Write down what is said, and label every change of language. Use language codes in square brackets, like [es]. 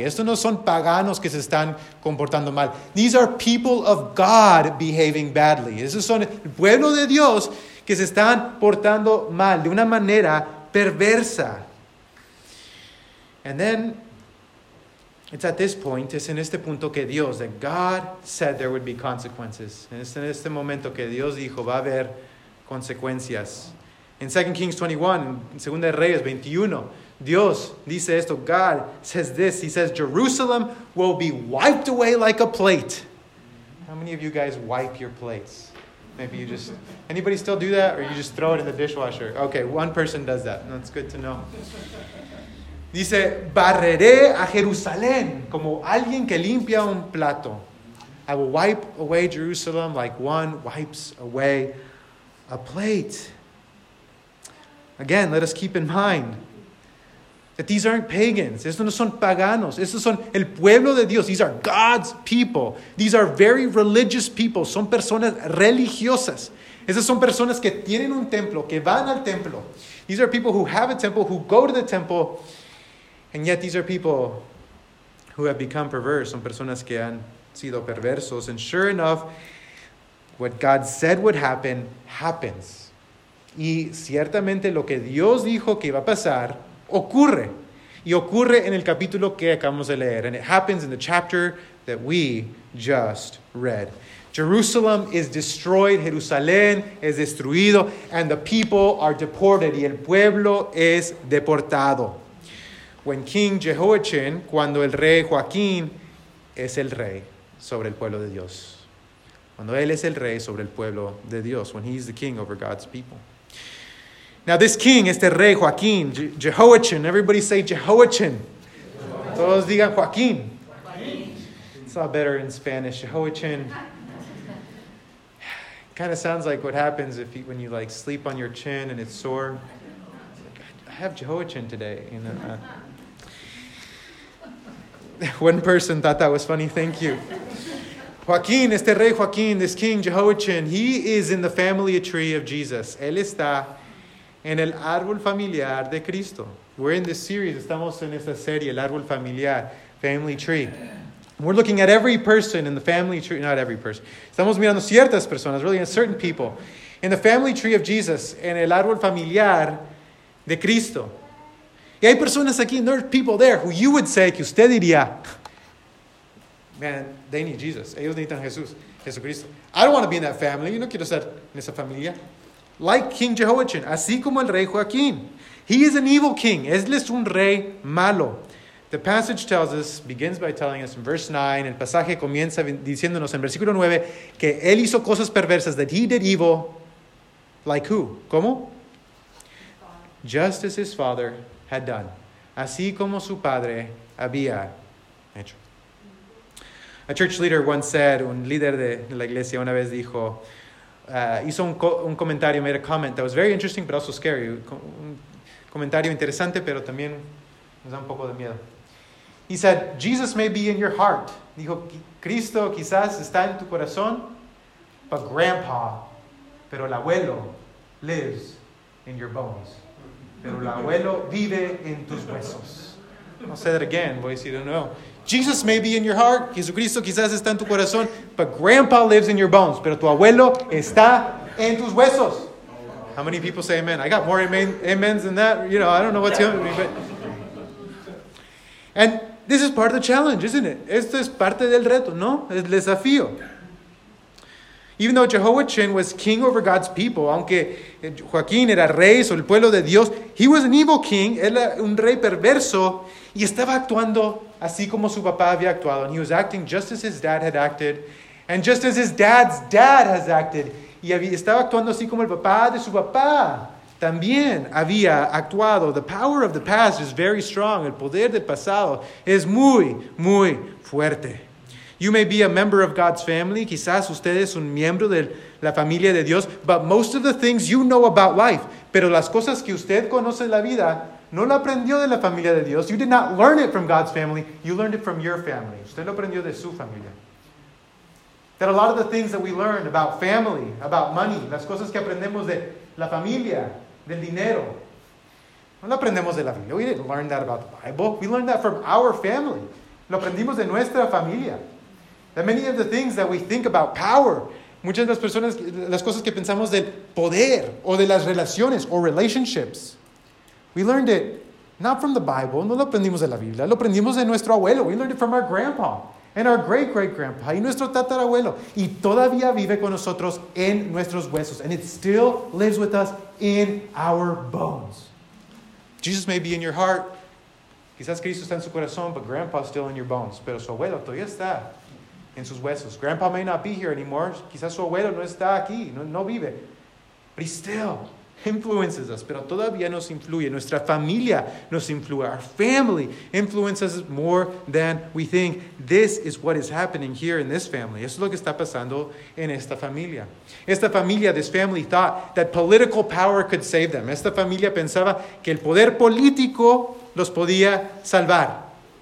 [es] Estos no son paganos que se están comportando mal. [en] These are people of God behaving badly. [es] Estos son el pueblo de Dios que se están portando mal de una manera perversa. [en] And then, it's at this point, [es] es en este punto que Dios, [en] that God said there would be consequences. [es] Es en este momento que Dios dijo, va a haber consecuencias. [en] In 2 Kings 21, [es] en Segunda de Reyes 21, Dios dice esto, [en] God says this, he says, Jerusalem will be wiped away like a plate. How many of you guys wipe your plates? Maybe you just, anybody still do that? Or you just throw it in the dishwasher? Okay, one person does that. That's good to know. [es] Dice, barreré a Jerusalén como alguien que limpia un plato. [en] I will wipe away Jerusalem like one wipes away a plate. Again, let us keep in mind that these aren't pagans. [es] Estos no son paganos. Estos son el pueblo de Dios. [en] These are God's people. These are very religious people. [es] Son personas religiosas. Estas son personas que tienen un templo, que van al templo. [en] These are people who have a temple, who go to the temple. And yet these are people who have become perverse. [es] Son personas que han sido perversos. [en] And sure enough, what God said would happen, happens. [es] Y ciertamente lo que Dios dijo que iba a pasar, ocurre. Y ocurre en el capítulo que acabamos de leer. [en] And it happens in the chapter that we just read. Jerusalem is destroyed, [es] Jerusalén es destruido, [en] and the people are deported, [es] y el pueblo es deportado. [en] When King Jehoiachin, [es] cuando el rey Joaquín es el rey sobre el pueblo de Dios. Cuando él es el rey sobre el pueblo de Dios, [en] when he is the king over God's people. Now this king, [es] este rey Joaquín, [en] Jehoiachin, everybody say Jehoiachin. [es] Todos digan Joaquín. [en] It's not better in Spanish, Jehoiachin. Kind of sounds like what happens if you, when you like sleep on your chin and it's sore. I have Jehoiachin today. You know. One person thought that was funny. Thank you. Joaquin, [es] este rey Joaquin, [en] this king Jehoiachin, he is in the family tree of Jesus. [es] Él está en el árbol familiar de Cristo. [en] We're in this series. [es] Estamos en esta serie, el árbol familiar, [en] family tree. We're looking at every person in the family tree. Not every person. [es] Estamos mirando ciertas personas, [en] really, certain people. In the family tree of Jesus, [es] en el árbol familiar de Cristo. Y hay personas aquí, [en] and there are people there who you would say, [es] que usted diría, [en] man, they need Jesus. [es] Ellos necesitan Jesús, Jesucristo. [en] I don't want to be in that family. [es] Yo no quiero ser en esa familia. [en] Like King Jehoiachin, [es] así como el rey Joaquín. [en] He is an evil king. [es] Él es un rey malo. [en] The passage tells us, begins by telling us in verse 9, [es] el pasaje comienza diciéndonos en versículo 9, que él hizo cosas perversas, [en] that he did evil, like who? [es] ¿Cómo? [en] Just as his father had done. [es] Así como su padre había hecho. [en] A church leader once said, [es] un líder de la iglesia una vez dijo, hizo un comentario, [en] made a comment that was very interesting but also scary. [es] Un comentario interesante pero también nos da un poco de miedo. [en] He said, Jesus may be in your heart. [es] Dijo, Cristo quizás está en tu corazón, [en] but grandpa, [es] pero el abuelo, [en] lives in your bones. [es] Pero el abuelo vive en tus huesos. [en] I'll say that again, [es] voy a decir de nuevo. [en] Jesus may be in your heart, [es] Jesucristo quizás está en tu corazón, [en] but grandpa lives in your bones, [es] pero tu abuelo está en tus huesos. [en] How many people say amen? I got more amens than that. You know, I don't know what's going to be, but... And this is part of the challenge, isn't it? [es] Esto es parte del reto, ¿no? Es el desafío. [en] Even though Jehoiachin was king over God's people, [es] aunque Joaquín era rey sobre el pueblo de Dios, [en] he was an evil king, [es] él era un rey perverso, y estaba actuando así como su papá había actuado. [en] And he was acting just as his dad had acted, and just as his dad's dad has acted. [es] Y estaba actuando así como el papá de su papá. También había actuado. [en] The power of the past is very strong. [es] El poder del pasado es muy, muy fuerte. [en] You may be a member of God's family. [es] Quizás usted es un miembro de la familia de Dios. [en] But most of the things you know about life. [es] Pero las cosas que usted conoce en la vida, no lo aprendió de la familia de Dios. [en] You did not learn it from God's family. You learned it from your family. [es] Usted lo aprendió de su familia. [en] That a lot of the things that we learn about family, about money, [es] las cosas que aprendemos de la familia, del dinero. No lo aprendemos de la Biblia. [en] We didn't learn that about the Bible. We learned that from our family. Lo aprendimos de nuestra familia. That many of the things that we think about power, [es] muchas de las personas, las cosas que pensamos del poder o de las relaciones [en] or relationships, we learned it not from the Bible. [es] No lo aprendimos de la Biblia. Lo aprendimos de nuestro abuelo. [en] We learned it from our grandpa and our great-great-grandpa [es] y nuestro tatarabuelo. Y todavía vive con nosotros en nuestros huesos. [en] And it still lives with us in our bones. Jesus may be in your heart. [es] Quizás Cristo está en su corazón, [en] but grandpa's still in your bones. [es] Pero su abuelo todavía está en sus huesos. [en] Grandpa may not be here anymore. [es] Quizás su abuelo no está aquí. No vive. [en] But he still influences us. Pero todavía nos influye. [es] Nuestra familia nos influye. [en] Our family influences us more than we think. This is what is happening here in this family. [es] Eso es lo que está pasando en esta familia. Esta familia, [en] this family, thought that political power could save them. [es] Esta familia pensaba que el poder político los podía salvar.